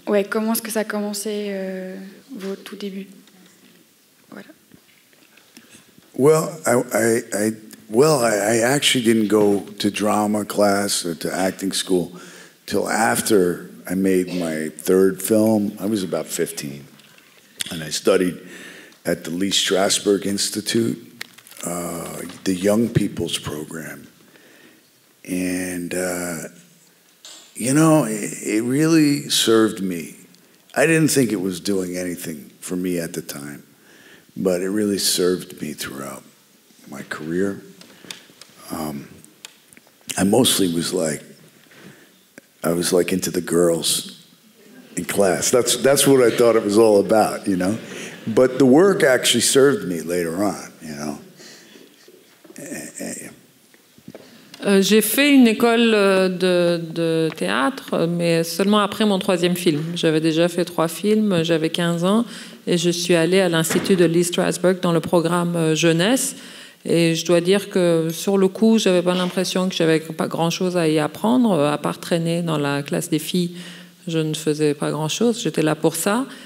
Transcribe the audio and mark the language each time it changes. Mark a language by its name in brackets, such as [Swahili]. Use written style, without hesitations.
[French] Comment est-ce que ça a commencé vos tout débuts? [English] Well, I actually didn't go to drama class or to acting school till after I made my third film. I was about 15, and I studied at the Lee Strasberg Institute, the Young People's Program, and it really served me. I didn't think it was doing anything for me at the time. But it really served me throughout my career. I mostly was like, I was like into the girls in class. That's what I thought it was all about, you know? But the work actually served me later on, you know? [French] J'ai fait une école de théâtre, mais seulement après mon troisième film. J'avais déjà fait trois films, j'avais 15 ans, et je suis allée à l'Institut de Lee Strasberg dans le programme Jeunesse. Et je dois dire que sur le coup, je n'avais pas l'impression que j'avais pas grand-chose à y apprendre, à part traîner dans la classe des filles, je ne faisais pas grand-chose, j'étais là pour ça.